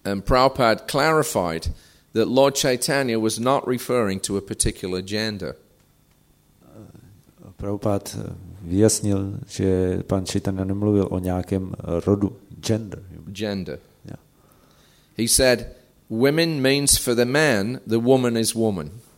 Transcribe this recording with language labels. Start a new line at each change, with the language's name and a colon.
English: And Prabhupada clarified that Lord Chaitanya was not referring to a particular gender.
Czech: Prabhupada vyjasnil, že pan Chaitanya nemluvil o nějakém rodu, gender.
English: Gender. Yeah. He said, women means for the man, the woman is woman.